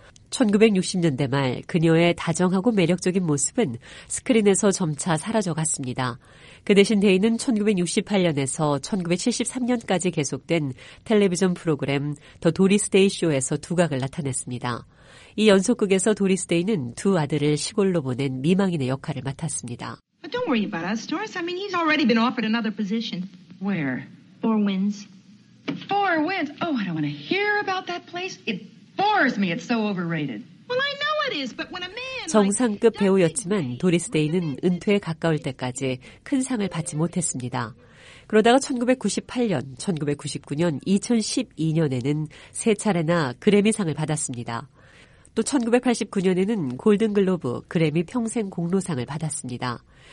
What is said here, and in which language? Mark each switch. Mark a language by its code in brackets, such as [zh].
[ko] 1960년대 말 그녀의 다정하고 매력적인 모습은 스크린에서 점차 사라져갔습니다. 그 대신 데이는 1968년에서 1973년까지 계속된 텔레비전 프로그램 더 도리스 데이 쇼에서 두각을 나타냈습니다. 이 연속극에서 도리스 데이는 두 아들을 시골로 보낸 미망인의 역할을 맡았습니다. [en] But don't worry about us, Doris. I mean, he's already been offered another position. Where? Four Winds. Four Winds. Oh, I don't want to hear about that place. It bores me. It's so overrated. Well, I know it is, but when a man. [ko] 정상급 배우였지만 도리스 데이는 은퇴에 가까울 때까지 큰 상을 받지 못했습니다. 그러다가 1998년, 1999년, 2012년에는 세 차례나 그래미상을 받았습니다. 또 1989년에는 골든글로브, 그래미 평생 공로상을 받았습니다.